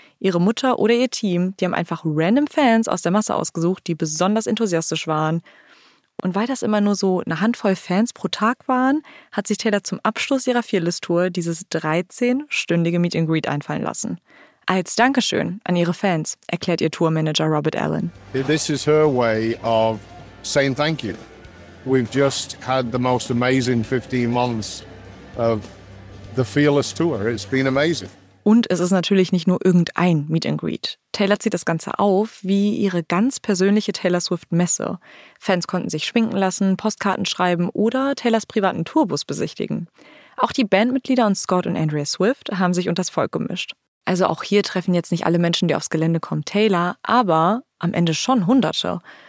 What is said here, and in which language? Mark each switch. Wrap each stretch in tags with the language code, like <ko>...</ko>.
<de>Ihre Mutter oder ihr Team, die haben einfach random Fans aus der Masse ausgesucht, die besonders enthusiastisch waren. Und weil das immer nur so eine Handvoll Fans pro Tag waren, hat sich Taylor zum Abschluss ihrer Fearless-Tour dieses 13-stündige Meet and Greet einfallen lassen. Als Dankeschön an ihre Fans, erklärt ihr Tourmanager Robert Allen.</de> <en>This is her way of saying thank you. We've just had the most amazing 15 months of the Fearless Tour. It's been amazing.</en> <de>Und es ist natürlich nicht nur irgendein Meet and Greet. Taylor zieht das Ganze auf wie ihre ganz persönliche Taylor Swift Messe. Fans konnten sich schminken lassen, Postkarten schreiben oder Taylors privaten Tourbus besichtigen. Auch die Bandmitglieder und Scott und Andrea Swift haben sich unter das Volk gemischt. Also auch hier treffen jetzt nicht alle Menschen, die aufs Gelände kommen, Taylor, aber am Ende schon Hunderte.</de>